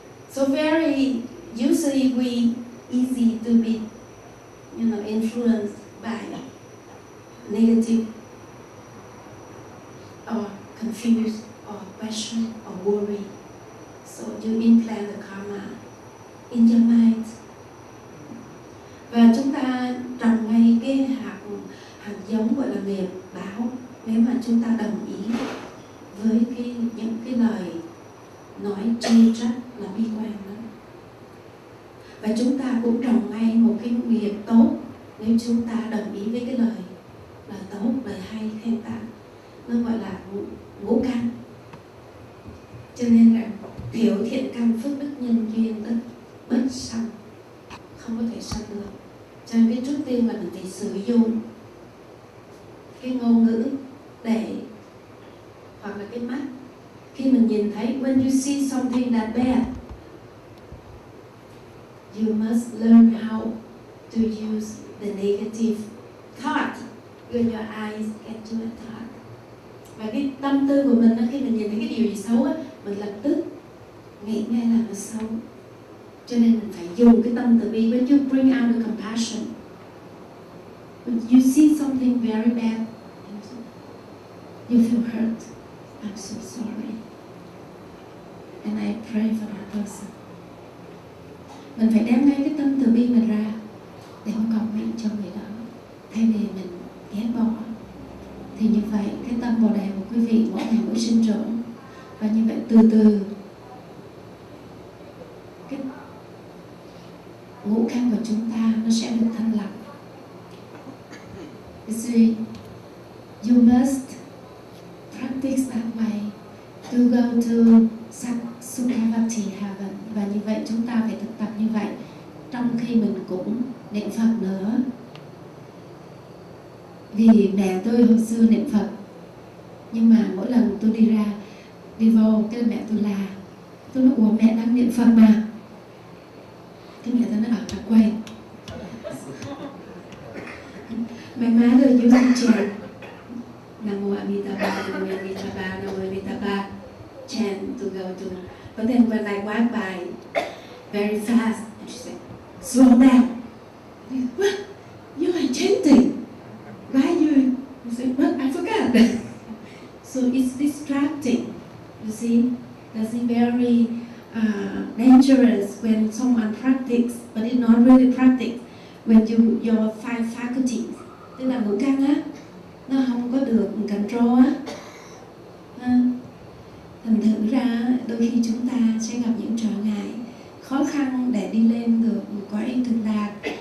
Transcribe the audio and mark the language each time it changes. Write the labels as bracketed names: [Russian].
[English] So very usually we easy to be, you know, influenced by negative or confused or question or worry. So you implant the karma in your mind. [Vietnamese] Và chúng ta trồng ngay cái hạt giống gọi là nghiệp báo. Nếu mà chúng ta đồng ý với những cái lời nói chê trách là bi quan đó, và chúng ta cũng trồng ngay một cái nghiệp tốt nếu chúng ta đồng ý với cái lời tốt, lời hay, khen tặng. nó gọi là ngũ căn. Cho nên là thiếu thiện căn, phước đức, nhân duyên, tất bất sanh, không có thể sanh được. Cho nên biết trước tiên là mình phải sử dụng cái ngôn ngữ để, hoặc là cái mắt, khi mình nhìn thấy, [English] when you see something that bad, you must learn how to use the negative thought when your eyes get to a thought. [Vietnamese] Và cái tâm tư của mình đó, khi mình nhìn thấy cái điều gì xấu á, mình lập tức nghĩ ngay là nó xấu. Cho nên mình phải dùng cái tâm từ bi. [English] When you bring out the compassion, when you see something very bad, you feel hurt, I'm so sorry, and I pray for that person. [Vietnamese] Mình phải đem ngay cái tâm từ bi mình ra để không cầu nguyện cho người đó, thay vì mình ghét bỏ. Thì như vậy cái tâm bồ đề của quý vị mỗi ngày mỗi sinh trưởng, và như vậy từ từ cái ngũ căn của chúng ta nó sẽ được thanh lọc. [English] You must practice that way to go to Sukhavati heaven. [Vietnamese] Và như vậy chúng ta phải thực tập như vậy trong khi mình cũng niệm Phật nữa. Vì mẹ tôi hồi xưa niệm Phật, nhưng mà mỗi lần tôi đi ra, đi vô cái mẹ tôi là, tôi nói, ủa mẹ đang niệm Phật mà. Cái mẹ tôi nó bảo là quên. [English] My mother used to chant Namo Amitabha, Namo Amitabha, Namo Amitabha, chant to go to. But then when I walk by very fast, and she said, slow down. What? You are chanting. Why you? You say, what? I forgot. So it's distracting. You see, that's very dangerous when someone practices, but it's not really practice. When you your five faculties, [Vietnamese] tức là ngũ căn á, nó không có được control á. Thành thử ra đôi khi chúng ta sẽ gặp những trở ngại khó khăn để đi lên được một cõi cực lạc.